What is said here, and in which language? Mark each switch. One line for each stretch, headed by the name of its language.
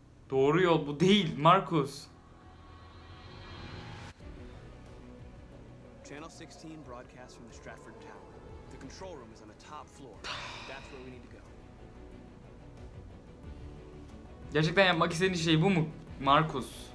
Turkish: Doğru yol bu değil, Marcus.
English: Channel 16 broadcast from the Stratford Tower. The control room is on the top floor. That's where we need to go.
Turkish: Gerçekten yapmak istediğin şey bu mu, Marcus?